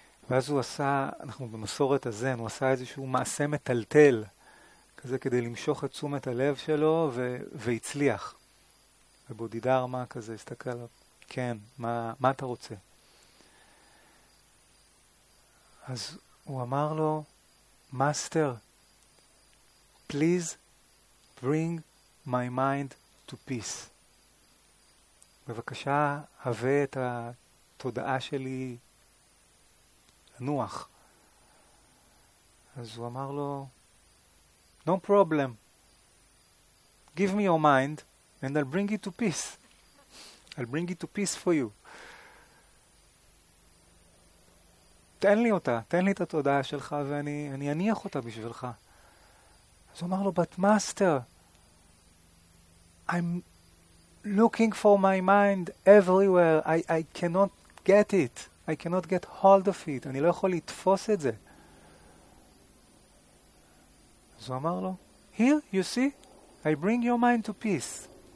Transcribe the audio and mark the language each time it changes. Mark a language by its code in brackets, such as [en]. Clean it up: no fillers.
[he] ואז הוא עשה, אנחנו במסורת הזן, הוא עשה איזשהו מעשה מטלטל, כזה כדי למשוך את תשומת הלב שלו, והצליח. ובודידרמה כזה הסתכל, כן, מה אתה רוצה? אז הוא אמר לו, [en] Master, please bring my mind to peace. [he] בבקשה, הווה את התודעה שלי לנוח. אז הוא אמר לו, [en] no problem. Give me your mind and I'll bring it to peace. I'll bring it to peace for you. [he] תן לי אותה, תן לי את התודעה שלך ואני אניח אותה בשבילך. אז הוא אמר לו, [en] but master, I'm looking for my mind everywhere. I cannot get it. I cannot get hold of it. [he] אני לא יכול לתפוס את זה. אז הוא אמר לו, [en] here you see, I bring your mind to peace.